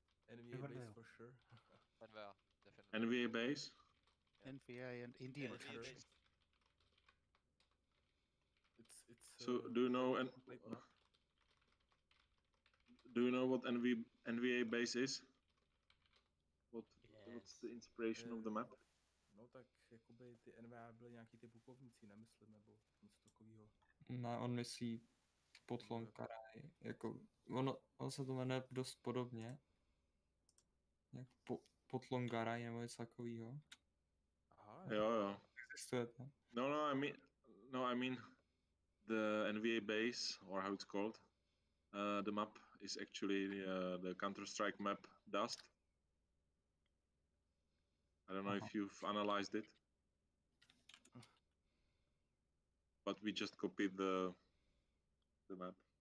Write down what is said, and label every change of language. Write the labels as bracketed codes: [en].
[en] NVA base for sure. NVA, definitely. NVA base? Yeah. NVA and Indian NVA country. Base. It's so, do you know do you know what NVA base is? What's the inspiration of the map? [cs] No, tak jakoby ty NVA byly nějaký ty pukovníci, nemyslím, nebo něco takového. Ne, on myslí Potlonkaraj, jako ono se to jmenuje dost podobně. Jak Potlonkaraj nebo něco takového. Jo. Existuje to. [en] No, I mean the NVA base, or how it's called, the map is actually the Counter-Strike map Dust. I don't know if you've analyzed it, but we just copied the map.